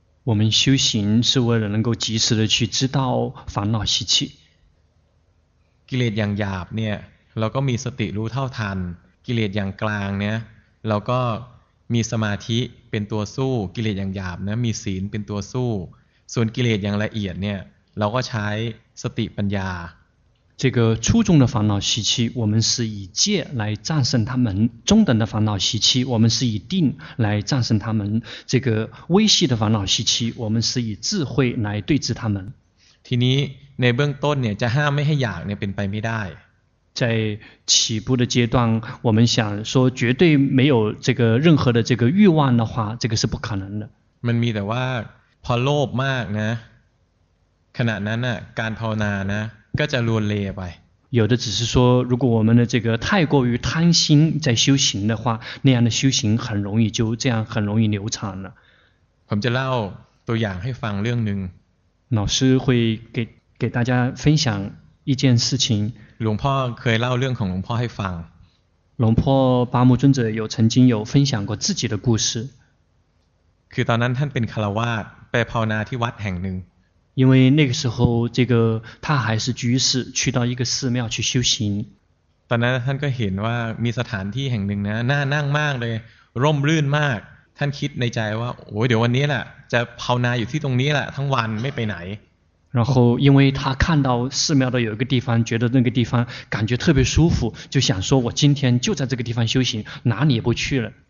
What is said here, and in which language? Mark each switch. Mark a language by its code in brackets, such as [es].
[zh] 我们修行是为了能够及时的去知道烦恼习气 [th] กิเลสอย่างหยาบเนี่ยเราก็มีสติรู้เท่าทันกิเลสอย่างกลางเนี่ยเราก็มีสมาธิเป็นตัวสู้กิเลสอย่างหยาบนะมีศีลเป็นตัวสู้ส่วนกิเลสอย่างละเอียดเนี่ยเราก็ใช้สติปัญญา [zh] 这个初中的烦恼习气我们是以戒来战胜他们中等的烦恼习气我们是以定来战胜他们这个微细的烦恼习气我们是以智慧来对治他们 [th] ทีนี้ในเบื้องต้นเนี่ยจะห้ามไม่ให้อยากเนี่ยเป็นไปไม่ได้ [zh] 在起步的阶段我们想说绝对没有这个任何的这个欲望的话这个是不可能的 [th] มันมีแต่ว่าพอโลภมากนะขณะนั้นน่ะการภาวนานะก็จะลวนเลไป [zh] 有的只是说如果我们的这个太过于贪心在修行的话那样的修行很容易就这样很容易流产了 [th] ผมจะเล่าตัวอย่างให้ฟังเรื่องนึง [zh] 老师会给大家分享一件事情 [th] หลวงพ่อเคยเล่าเรื่องของหลวงพ่อให้ฟัง [zh] หลวงพ่อปามุจุนเจ有曾经有分享过自己的故事 [th] คือตอนนั้นท่านเป็นฆราวาสไปภาวนาที่วัดแห่งหนึ่ง [zh] 因为那个时候这个他还是居士去到一个寺庙去修行 [th] ตอนนั้นท่านก็เห็นว่ามีสถานที่แห่งหนึ่งนะน่านั่งมากเลยร่มรื่นมากท่านคิดในใจว่าโอ้เดี๋ยววันนี้แหละจะภาวนาอยู่ที่ตรงนี้แหละทั้งวันไม่ไปไหน [zh] 然后因为他看到寺庙的有一个地方觉得那个地方感觉特别舒服就想说我今天就在这个地方修行哪里也不去